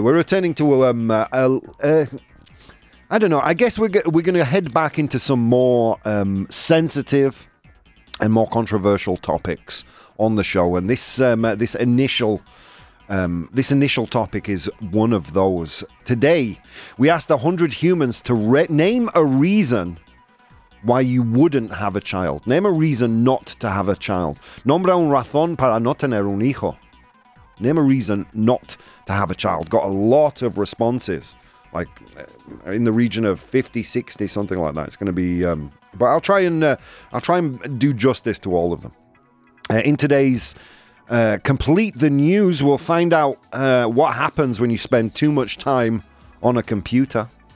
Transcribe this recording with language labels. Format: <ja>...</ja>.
<en>We're returning to, I don't know, I guess we're going to head back into some more sensitive and more controversial topics on the show. And this this initial topic is one of those. Today, we asked 100 humans to name a reason why you wouldn't have a child. Name a reason not to have a child.</en> <es>Nombra un razón para no tener un hijo.</es> <en>Name a reason not to have a child. Got a lot of responses, like in the region of 50, 60, something like that. It's going to be, but I'll try and do justice to all of them. In today's Complete the News, we'll find out what happens when you spend too much time on a computer.</en>